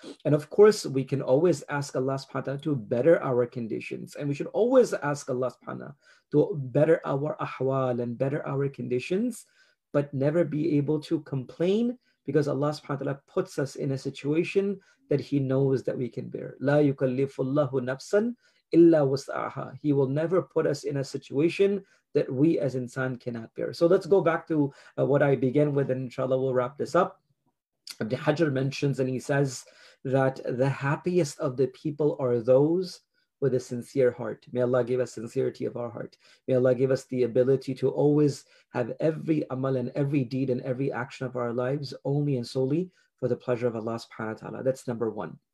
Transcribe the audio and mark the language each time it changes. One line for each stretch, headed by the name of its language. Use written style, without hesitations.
English: And of course, we can always ask Allah subhanahu wa ta'ala to better our conditions. And we should always ask Allah subhanahu wa ta'ala to better our ahwal and better our conditions, but never be able to complain, because Allah subhanahu wa ta'ala puts us in a situation that He knows that we can bear.
Arabic: لا يكلف الله نفسا إلا وسعها.
English: He will never put us in a situation that we as insan cannot bear. So let's go back to what I began with, and inshallah we'll wrap this up. Ibn Hajar mentions and he says that the happiest of the people are those with a sincere heart. May Allah give us sincerity of our heart. May Allah give us the ability to always have every amal and every deed and every action of our lives only and solely for the pleasure of Allah subhanahu wa ta'ala. That's number one.